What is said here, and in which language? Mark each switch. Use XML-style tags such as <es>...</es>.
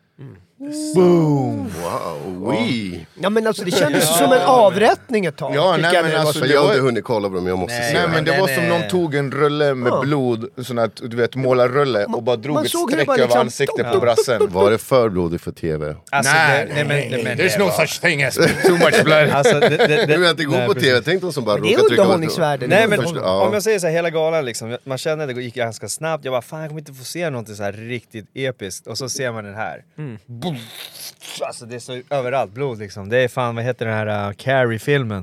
<sv>Mm. Boom. Wow. Ja, men alltså det kändes som en avrättning ett tag. Ja, nej, men alltså jag hade hunnit kolla på dem, jag måste se. Nej, men det var som någon tog en rulle med blod, sån att du vet måla rulle och bara drog ett streck över ansiktet på brassen. Var det för blodig för TV? Alltså, nej,</sv> <en>there's no such thing as too much blood.</en> <sv>Alltså det inte går på TV, tänkte de som bara råkade trycka. Det är underhållningsvärde. Nej, men om jag säger så här, hela galan liksom, man känner det gick ganska snabbt. Jag bara fan, jag kommer inte få se någonting så här riktigt episkt, och så ser man den här. Alltså det är så överallt blod liksom. Det är fan, vad heter den här Carrie-filmen?</sv>